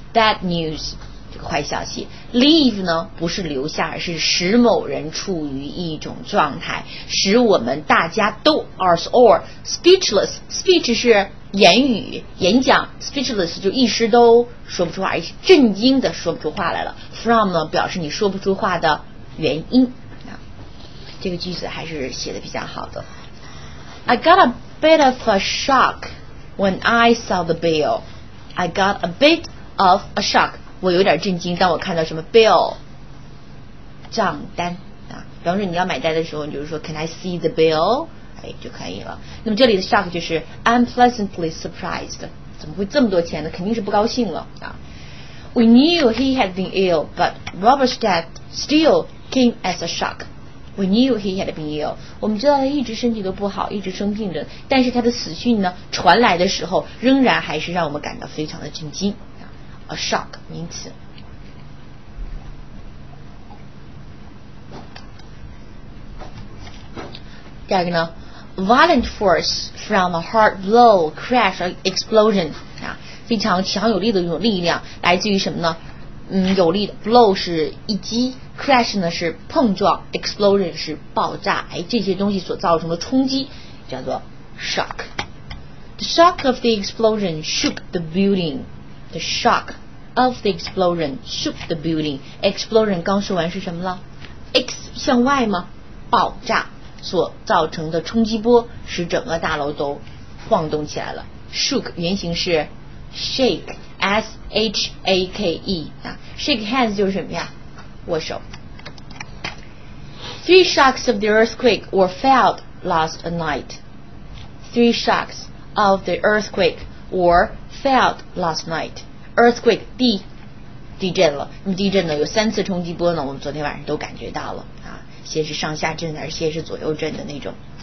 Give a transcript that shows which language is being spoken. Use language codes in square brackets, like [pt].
[zh] Bad news 这个坏消息。Leave 呢不是留下，而是使某人处于一种状态，使我们大家都 [en] us or speechless. [zh] Speech 是言语演讲， speechless 就一时都说不出话，震惊的说不出话来了。 From 呢表示你说不出话的原因。这个句子还是写的比较好的。 [en] I got a bit of a shock when I saw the bill. I got a bit of a shock. [zh] 我有点震惊，当我看到什么 bill 账单啊，比方说你要买单的时候，你就是说 [en] Can I see the bill？ [zh] 哎，就可以了。那么这里的 shock 就是 [en] unpleasantly surprised， [zh] 怎么会这么多钱呢？肯定是不高兴了啊。 [en] We knew he had been ill, but Robert's death still came as a shock. We knew he had been ill. [zh] 我们知道他一直身体都不好，一直生病着，但是他的死讯呢，传来的时候，仍然还是让我们感到非常的震惊。 A shock 名词。第二个呢 [en] ，violent force from a hard blow, crash, or explosion。 [zh] 非常强有力的一种力量，来自于什么呢？有力的 blow 是一击 ，crash 呢是碰撞 ，explosion 是爆炸。哎，这些东西所造成的冲击叫做 shock。 [en] The shock of the explosion shook the building. The shock of the explosion shook the building. [zh] Explosion 刚说完是什么了 ？X 向外吗？爆炸所造成的冲击波使整个大楼都晃动起来了。 Shook 原型是。Shake, S-H-A-K-E、啊、 [en] Shake hands [zh] 就是什么呀？握手。 [en] Three shocks of the earthquake were felt last night. Three shocks of the earthquake were felt last night. [zh] Earthquake, 地震了。那么地震呢，有三次冲击波呢，我们昨天晚上都感觉到了啊，先是上下震，而先是左右震的那种。